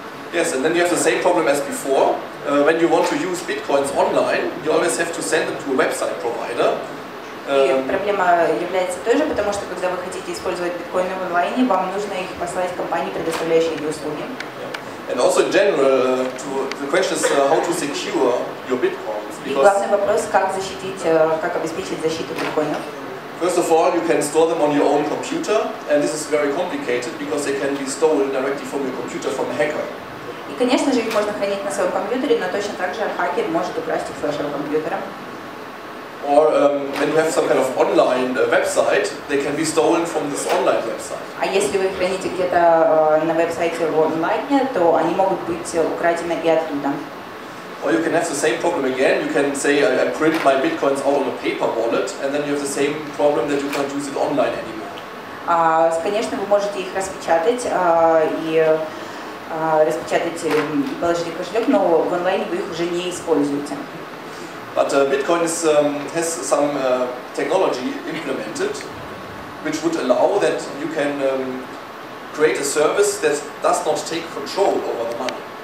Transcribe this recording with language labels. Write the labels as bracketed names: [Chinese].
[English] Yes, and then you have the same problem as before. When you want to use bitcoins online, you always have to send them to a website provider. [Russian] Проблема является той же, потому что когда вы хотите использовать биткоины в онлайне, вам нужно их послать компании, предоставляющей эти услуги. [English] And also in general, the question is how to secure your bitcoins. [Russian] И главный вопрос, как защитить, как обеспечить защиту биткоинов. [English] First of all, you can store them on your own computer, and this is very complicated because they can be stolen directly from your computer from a hacker. [Russian] И конечно же их можно хранить на своем компьютере, но точно так же хакер может украсть их с вашего компьютера. [English] Or when you have some kind of online website, they can be stolen from this online website. [Russian] А если вы храните где-то на веб-сайте в онлайне, то они могут быть украдены и оттуда. [English] or you can have the same problem again. You can say I print my bitcoins out on a paper wallet, and then you have the same problem that you can't use it online anymore. [Russian] Конечно, вы можете их распечатать и распечатать и положить в кошелек, но в онлайне вы их уже не используете. [English] But Bitcoin is, has some technology implemented, which would allow that you can create a service that does not take control over the money.